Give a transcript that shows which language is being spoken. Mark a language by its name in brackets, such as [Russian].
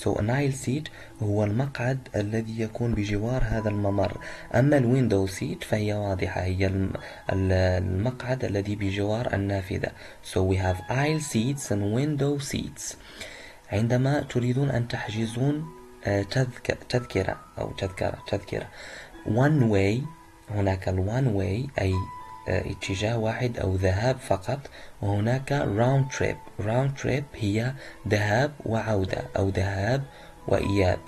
[English] So an aisle seat [Arabic] هو المقعد الذي يكون بجوار هذا الممر. أما الويندو سيت فهي واضحة، هي المقعد الذي بجوار النافذة. [English] So we have aisle seats and window seats. [Arabic] عندما تريدون أن تحجزون تذكرة أو تذكرة one way، هناك ال one way أي اتجاه واحد أو ذهاب فقط، وهناك round trip. round trip هي ذهاب وعودة أو ذهاب وإياب.